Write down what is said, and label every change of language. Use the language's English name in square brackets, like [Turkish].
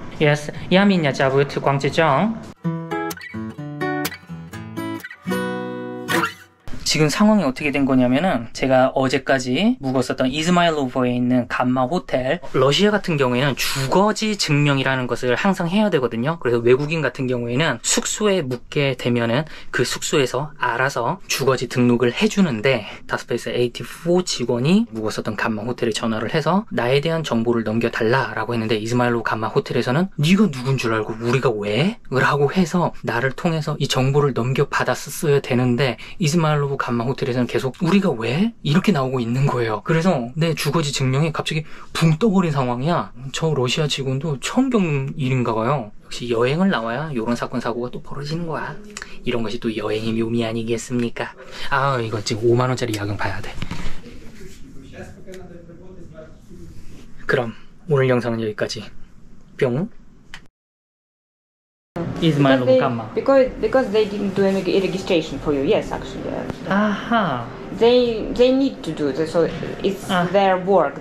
[Russian] Yes, я меня зовут Гуан Цзичжэн. [Korean] 지금 상황이 어떻게 된 거냐면은, 제가 어제까지 묵었었던 이즈마일로브에 있는 감마 호텔. 러시아 같은 경우에는 주거지 증명이라는 것을 항상 해야 되거든요. 그래서 외국인 같은 경우에는 숙소에 묵게 되면은 그 숙소에서 알아서 주거지 등록을 해주는데, 다스페이스 84 직원이 묵었었던 감마 호텔에 전화를 해서 나에 대한 정보를 넘겨달라라고 했는데, 이즈마일로브 감마 호텔에서는 네가 누군 줄 알고 우리가 왜? 라고 해서 나를 통해서 이 정보를 넘겨받았었어야 되는데, 이즈마일로브 감마 호텔에서는 계속 우리가 왜? 이렇게 나오고 있는 거예요. 그래서 내 주거지 증명이 갑자기 붕 떠버린 상황이야. 저 러시아 직원도 처음 겪는 일인가 봐요. 역시 여행을 나와야 이런 사건 사고가 또 벌어지는 거야. 이런 것이 또 여행의 묘미 아니겠습니까? 아, 이거 지금 5만원짜리 야경 봐야 돼. 그럼 오늘 영상은 여기까지. 뿅. [English] Is my room camera? Because they didn't do any registration for you. Yes, actually. Yes. Aha. They need to do this. So it's their work.